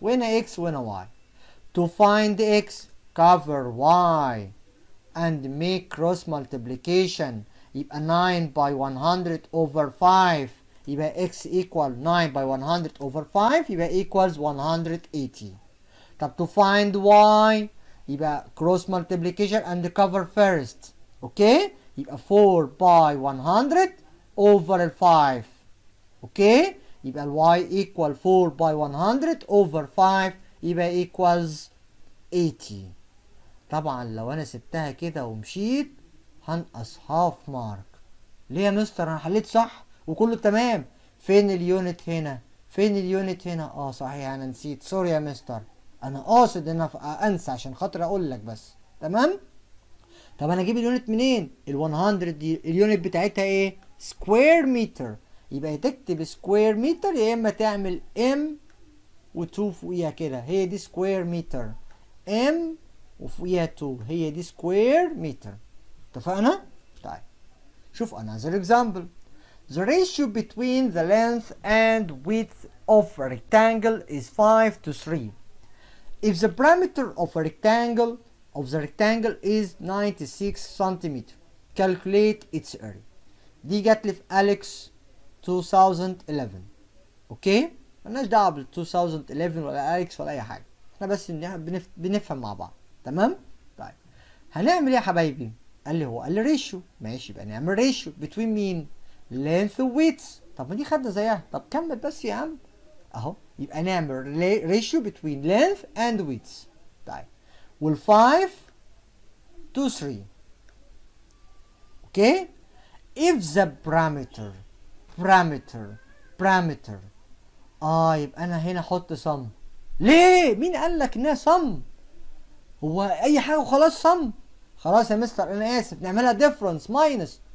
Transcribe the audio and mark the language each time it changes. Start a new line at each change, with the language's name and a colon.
Arabic: وهنا اكس وهنا واي.
English: To find x cover y and make cross multiplication, يبقى 9 by 100 over 5، يبقى x equal 9 by 100 over 5 يبقى equals 180. طب to find y يبقى cross multiplication and cover first.
Arabic: اوكي؟ يبقى 4 by 100 over 5.
English: Okay? يبقى y equal 4 by 100 over 5 يبقى equals 80.
Arabic: طبعا لو انا سبتها كده ومشيت هنقص
English: half mark.
Arabic: ليه يا مستر؟ انا حليت صح وكله تمام، فين اليونت هنا؟ فين اليونت هنا؟ صحيح انا نسيت، سوري يا مستر. انا قاصد ان انسى عشان خاطر اقول لك بس، تمام؟ طب انا اجيب اليونت منين؟ ال 100 دي اليونت بتاعتها ايه؟ سكوير متر. يبقى تكتب سكوير متر، يا اما تعمل ام و2 فوقيها كده، هي دي سكوير متر، ام وفوقيها 2 هي دي سكوير متر. اتفقنا؟ طيب شوف another example.
English: The ratio between the length and width of a rectangle is 5:3. If the perimeter of a rectangle is 96 cm, calculate its area.
Arabic: دي جات لي في Alex 2011. اوكي؟ مالناش دعوة بال 2011 ولا Alex ولا أي حاجة. احنا بس بنفهم مع بعض. تمام؟ طيب. هنعمل إيه يا حبايبي؟ قال لي هو قال لي ratio. ماشي، يبقى نعمل
English: ratio between
Arabic: مين؟ length و width. طب ما دي خدنا زيها. طب كمل بس يا عم. أهو.
English: يبقى نعمل ratio between length and width.
Arabic: طيب. وال 5:3. اوكي؟
English: if the parameter
Arabic: يبقى انا هنا احط صم. ليه؟ مين قال لك انها صم؟ هو اي حاجه وخلاص صم؟ خلاص يا مستر انا اسف، نعملها
English: difference minus.